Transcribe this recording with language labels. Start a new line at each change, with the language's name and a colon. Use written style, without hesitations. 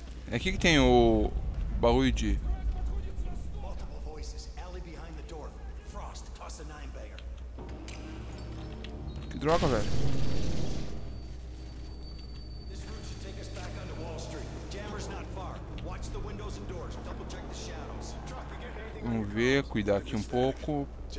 Portuguese: É aqui que tem o barulho de...
English: Multiple voices, alley behind the door. Frost, toss a nine banger.
Portuguese: Que droga, velho.
English: This route should take us back onto Wall Street. Jammer's not far. Watch the windows and doors. Double check the shadows.
Portuguese: Vamos ver, cuidar aqui um pouco.